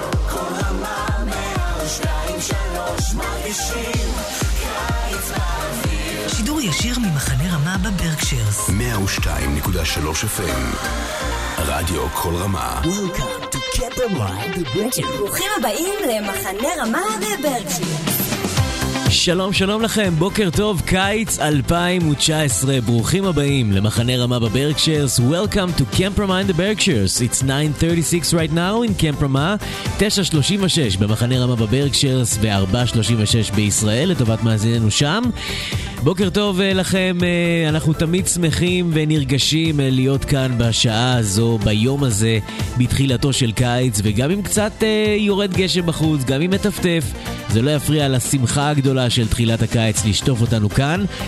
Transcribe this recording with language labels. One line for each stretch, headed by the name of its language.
Hebrew: כל המאה ושתיים שלוש מרגישים קיץ באוויר. שידור ישיר ממחנה רמה בברקשירס. 102.3 FM רדיו כל רמה.
English: Welcome to Camp Ramah בברקשירס.
Hebrew: ברוכים הבאים למחנה רמה בברקשירס. שלום שלום לכם, בוקר טוב, קיץ 2019, ברוכים הבאים למחנה רמה בברקשירס.
English: Welcome to Camp Ramah in the Berkshires. It's 9:36 right now in Camp Ramah,
Hebrew: 9:36 במחנה רמה בברקשירס ו-4:36 בישראל, לטובת מאזיננו שם. בוקר טוב לכם, אנחנו תמיד שמחים ונרגשים להיות כאן בשעה הזו, ביום הזה, בתחילתו של קיץ, וגם אם קצת יורד גשם בחוץ, גם אם מטפטף, זה לא יפריע לשמחה הגדולה של תחילת הקיץ לשטוף אותנו כאן.